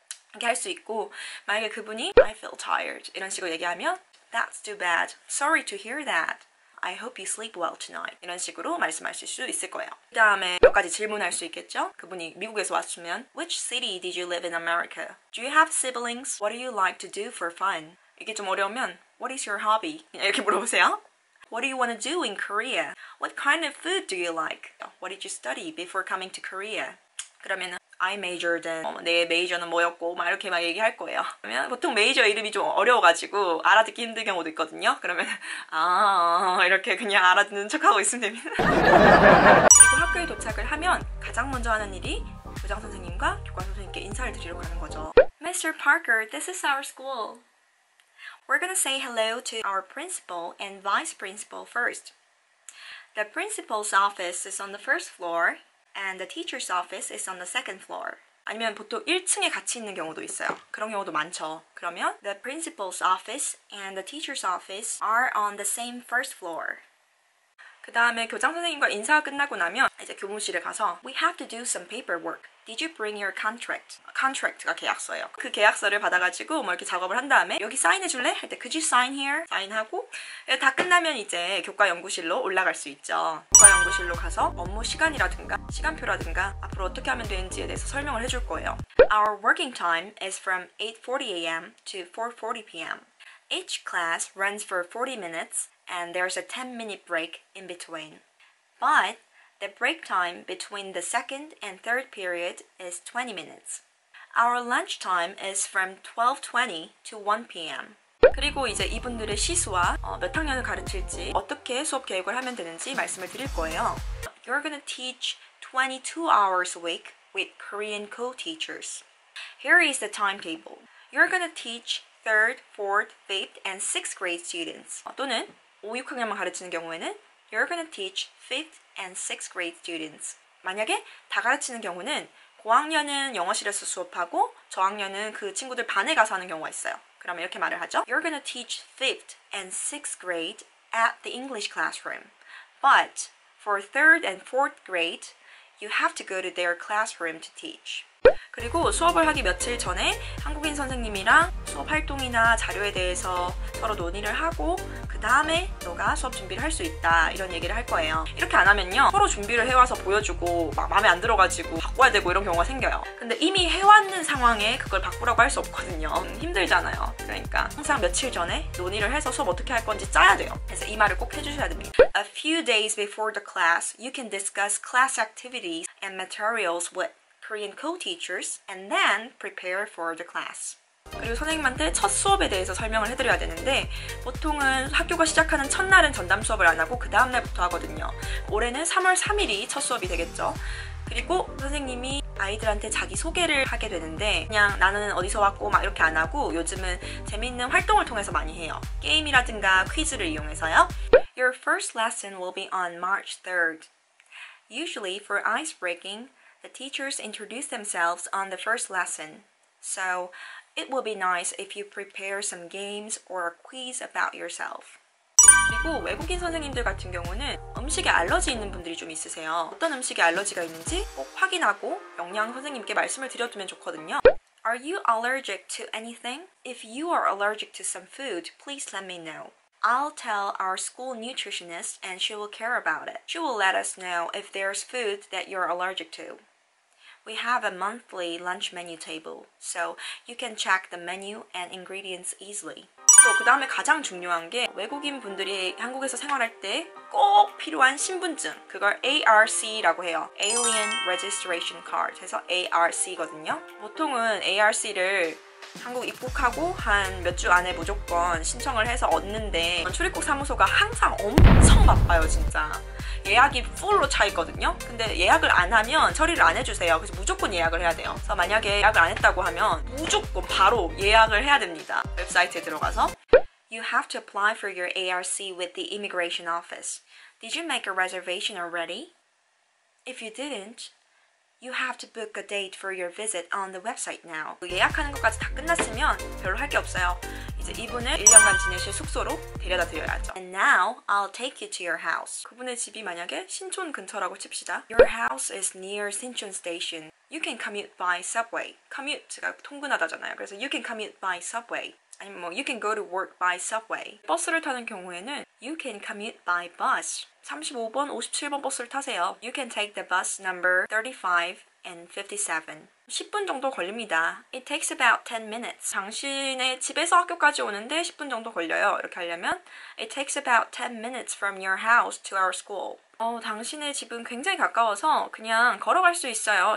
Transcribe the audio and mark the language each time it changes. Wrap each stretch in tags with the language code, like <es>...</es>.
<ko>이렇게 할 수 있고 만약에 그분이</ko> <en>I feel tired.</en> <ko>이런 식으로 얘기하면</ko> <en>That's too bad. Sorry to hear that. I hope you sleep well tonight.</en> <ko>이런 식으로 말씀하실 수 있을 거예요. 그 다음에 몇 가지 질문할 수 있겠죠? 그분이 미국에서 왔으면</ko> <en>Which city did you live in America? Do you have siblings? What do you like to do for fun?</en> <ko>이게 좀 어려우면</ko> <en>What is your hobby?</en> <ko>이렇게 물어보세요.</ko> <en>What do you want to do in Korea? What kind of food do you like? What did you study before coming to Korea?</en> <ko>그러면</ko> <en>I majored in</en> <ko>내 메이저는 뭐였고 막 이렇게 막 얘기할 거예요. 그러면 보통 메이저 이름이 좀 어려워가지고 알아듣기 힘든 경우도 있거든요. 그러면 아 이렇게 그냥 알아듣는 척하고 있으면 됩니다. 그리고 학교에 도착을 하면 가장 먼저 하는 일이 교장 선생님과 교과 선생님께 인사를 드리러 가는 거죠.</ko> <en>Mr. Parker, this is our school. We're gonna say hello to our principal and vice principal first. The principal's office is on the first floor. And the teacher's office is on the second floor.</en> <ko>아니면 보통 1층에 같이 있는 경우도 있어요. 그런 경우도 많죠. 그러면</ko> <en>The principal's office and the teacher's office are on the same first floor.</en> <ko>그 다음에 교장 선생님과 인사가 끝나고 나면 이제 교무실에 가서</ko> <en>We have to do some paperwork. Did you bring your contract?</en> <ko>Contract가 계약서예요. 그 계약서를 받아가지고 뭐 이렇게 작업을 한 다음에 여기 사인해줄래? 할 때</ko> <en>Could you sign here?</en> <ko>사인하고 다 끝나면 이제 교과 연구실로 올라갈 수 있죠. 교과 연구실로 가서 업무 시간이라든가 시간표라든가 앞으로 어떻게 하면 되는지에 대해서 설명을 해줄 거예요.</ko> <en>Our working time is from 8:40 a.m. to 4:40 p.m. Each class runs for 40 minutes and there's a 10-minute break in between. But the break time between the second and third period is 20 minutes. Our lunch time is from 12:20 to 1 p.m.</en> <ko>그리고 이제 이분들의 시수와 몇 학년을 가르칠지 어떻게 수업 계획을 하면 되는지 말씀을 드릴 거예요.</ko> <en>You're gonna teach 22 hours a week with Korean co-teachers. Here is the timetable. You're gonna teach 3rd, 4th, 5th, and 6th grade students.</en> <ko>또는 5, 6학년만 가르치는 경우에는</ko> <en>You're gonna teach 5th and 6th grade students.</en> <ko>만약에 다 가르치는 경우는 고학년은 영어실에서 수업하고 저학년은 그 친구들 반에 가서 하는 경우가 있어요. 그러면 이렇게 말을 하죠.</ko> <en>You're gonna teach 5th and 6th grade at the English classroom. But for 3rd and 4th grade, you have to go to their classroom to teach.</en> <ko>그리고 수업을 하기 며칠 전에 한국인 선생님이랑 수업 활동이나 자료에 대해서 서로 논의를 하고 그 다음에 너가 수업 준비를 할 수 있다 이런 얘기를 할 거예요. 이렇게 안 하면요 서로 준비를 해와서 보여주고 막 마음에 안 들어가지고 바꿔야 되고 이런 경우가 생겨요. 근데 이미 해왔는 상황에 그걸 바꾸라고 할 수 없거든요. 힘들잖아요. 그러니까 항상 며칠 전에 논의를 해서 수업 어떻게 할 건지 짜야 돼요. 그래서 이 말을 꼭 해주셔야 됩니다.</ko> <en>A few days before the class, you can discuss class activities and materials with Korean co-teachers, and then prepare for the class.</en> <ko>그리고 선생님한테 첫 수업에 대해서 설명을 해드려야 되는데 보통은 학교가 시작하는 첫날은 전담 수업을 안 하고 그 다음날부터 하거든요. 올해는 3월 3일이 첫 수업이 되겠죠. 그리고 선생님이 아이들한테 자기 소개를 하게 되는데 그냥 나는 어디서 왔고 막 이렇게 안 하고 요즘은 재미있는 활동을 통해서 많이 해요. 게임이라든가 퀴즈를 이용해서요.</ko> <en>Your first lesson will be on March 3rd. Usually for ice breaking, the teachers introduce themselves on the first lesson. So, it will be nice if you prepare some games or a quiz about yourself.</en> <ko>그리고 외국인 선생님들 같은 경우는 음식에 알러지 있는 분들이 좀 있으세요. 어떤 음식에 알러지가 있는지 꼭 확인하고 영양 선생님께 말씀을 드려두면 좋거든요.</ko> <en>Are you allergic to anything? If you are allergic to some food, please let me know. I'll tell our school nutritionist and she will care about it. She will let us know if there's food that you're allergic to. We have a monthly lunch menu table, so you can check the menu and ingredients easily.</en> <ko>또 그 다음에 가장 중요한 게 외국인 분들이 한국에서 생활할 때 꼭 필요한 신분증, 그걸 ARC라고 해요.</ko> <en>Alien Registration Card,</en> <ko>해서 ARC거든요. 보통은 ARC를 한국 입국하고 한 몇 주 안에 무조건 신청을 해서 얻는데 출입국 사무소가 항상 엄청 바빠요, 진짜. 예약이 풀로 차 있거든요. 근데 예약을 안 하면 처리를 안 해주세요. 그래서 무조건 예약을 해야 돼요. 그래서 만약에 예약을 안 했다고 하면 무조건 바로 예약을 해야 됩니다. 웹사이트에 들어가서</ko> <en>You have to apply for your ARC with the immigration office. Did you make a reservation already? If you didn't, you have to book a date for your visit on the website now.</en> <ko>예약하는 것까지 다 끝났으면 별로 할 게 없어요. 이제 이분을 1년간 지내실 숙소로 데려다 드려야죠.</ko> <en>And now I'll take you to your house.</en> <ko>그분의 집이 만약에 신촌 근처라고 칩시다.</ko> <en>Your house is near Sinchon Station. You can commute by subway. Commute가 통근하다잖아요. 그래서</en> <ko>you can commute by subway.</ko> <en>아니면 뭐</en> <ko>you can go to work by subway. 버스를 타는 경우에는</ko> <en>you can commute by bus.</en> <ko>35번, 57번 버스를 타세요.</ko> <en>You can take the bus number 35 and 57.</en> <ko>10분 정도 걸립니다.</ko> <en>It takes about 10 minutes.</en> <ko>당신의 집에서 학교까지 오는데 10분 정도 걸려요. 이렇게 하려면</ko> <en>It takes about 10 minutes from your house to our school.</en> <ko>당신의 집은 굉장히 가까워서 그냥 걸어갈 수 있어요.</ko>